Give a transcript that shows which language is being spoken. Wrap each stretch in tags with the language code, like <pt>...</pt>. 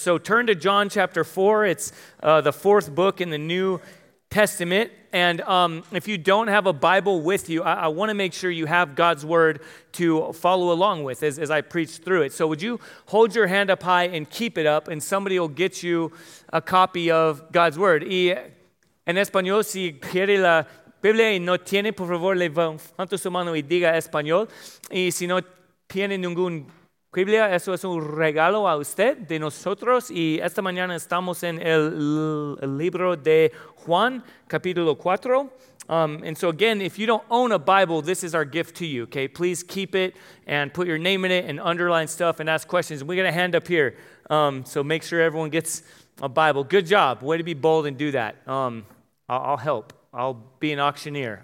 <en>So turn to John chapter 4. It's the fourth book in the New Testament. And if you don't have a Bible with you, I want to make sure you have God's word to follow along with as I preach through it. So would you hold your hand up high and keep it up, and somebody will get you a copy of God's word.</en> <es>En español, si quiere la Biblia y no tiene, por favor, levante su mano y diga español. Y si no tiene ninguna Biblia, eso es un regalo a usted, de nosotros. Y esta mañana estamos en el libro de Juan, capítulo 4.</es> <en>And so again, if you don't own a Bible, this is our gift to you, okay? Please keep it and put your name in it and underline stuff and ask questions. We got a hand up here, so make sure everyone gets a Bible. Good job. Way to be bold and do that. I'll help. I'll be an auctioneer.</en>